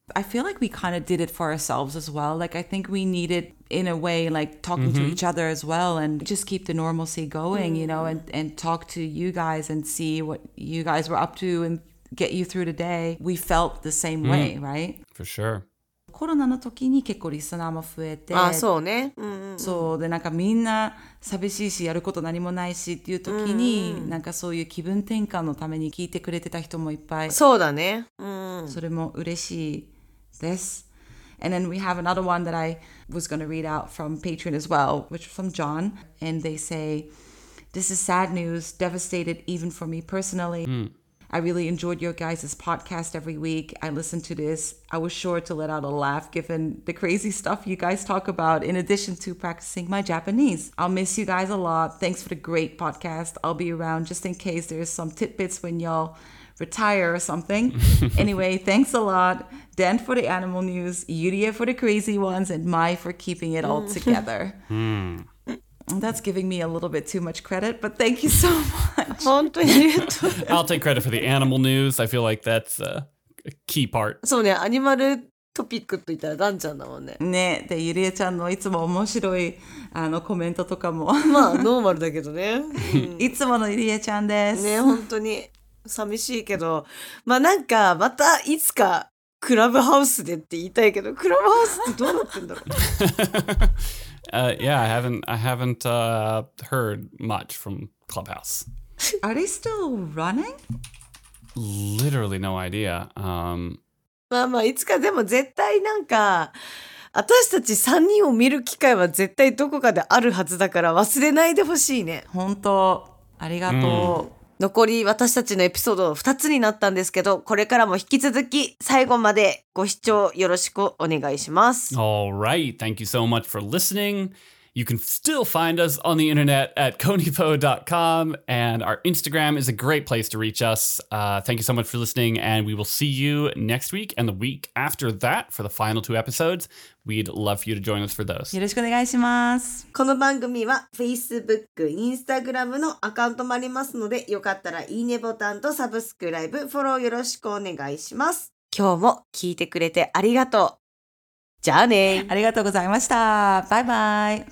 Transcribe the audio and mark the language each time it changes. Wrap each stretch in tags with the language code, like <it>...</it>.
<en>I feel like we kind of did it for ourselves as well. Like, I think we needed, in a way, like talking to each other as well and just keep the normalcy going, you know, and talk to you guys and see what you guys were up to and get you through the day. We felt the same way, right? For sure.</en> <ja>コロナの時に結構リスナーも増えて、あ、そうね、うんうん、そうで、なんかみんな寂しいしやること何もないしっていう時に、うんうん、なんかそういう気分転換のために聞いてくれてた人もいっぱい、そうだね、うん、それも嬉しいです。</ja> <en>And then we have another one that I was going to read out from Patreon as well, which is from John, and they say, This is sad news, devastated even for me personally、</en> <ja>うん、</ja> <en>I really enjoyed your guys' podcast every week. I listened to this. I was sure to let out a laugh given the crazy stuff you guys talk about in addition to practicing my Japanese. I'll miss you guys a lot. Thanks for the great podcast. I'll be around just in case there's some tidbits when y'all retire or something. Anyway, thanks a lot. Dan for the animal news, Yuria for the crazy ones, and Mai for keeping it all together. That's giving me a little bit too much credit, but thank you so much. I'll take credit for the animal news. I feel like that's a key part.</en> <ja>そうね、アニマルトピックといったらダンちゃんだもんね。ね、で、ゆりえちゃんのいつも面白いあのコメントとかも。まあ、ノーマルだけどね。いつものゆりえちゃんです。ね、本当に寂しいけど、まあなんかまたいつかクラブハウスでって言いたいけど、クラブハウスってどうなってんだろう。</ja> <en>Yeah, I haven't heard much from Clubhouse. Are they still running? Literally no idea.</en> <ja>まあまあ、いつかでも絶対なんか、私たち3人を見る機会は絶対どこかであるはずだから忘れないでほしいね。本当、ありがとう。残り私たちのエピソード2つになったんですけど、これからも引き続き最後までご視聴よろしくお願いします。</ja> <en>All right, thank you so much for listening. You can still find us on the internet at konipo.com and our Instagram is a great place to reach us. Thank you so much for listening and we will see you next week and the week after that for the final two episodes. We'd love for you to join us for those.</en> <ja>よろしくお願いします。この番組は Facebook、Instagram のアカウントもありますので、よかったらいいねボタンとサブスクライブ、フォローよろしくお願いします。今日も聞いてくれてありがとう。じゃあね。ありがとうございました。バイバイ。</ja>